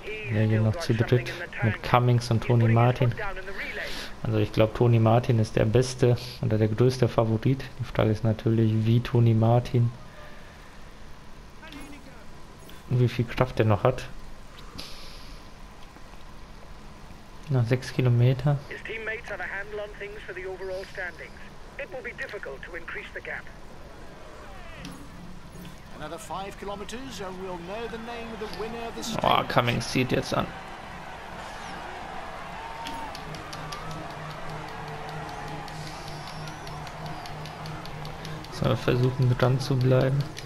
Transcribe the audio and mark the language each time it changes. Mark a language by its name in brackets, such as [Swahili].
[German] Wir gehen noch zu dritt mit Cummings und Tony Martin. Also ich glaube, Tony Martin ist der beste oder der größte Favorit. Die Frage ist natürlich, wie Tony Martin und wie viel Kraft er noch hat. Nach 6 Kilometer. [English] His teammates have a handle on things for the overall standings. It will be difficult to increase the gap. Another 5 kilometers and we'll know the name of the winner of the stage. [German] Oh, Cummings zieht jetzt an. Versuchen dran zu bleiben.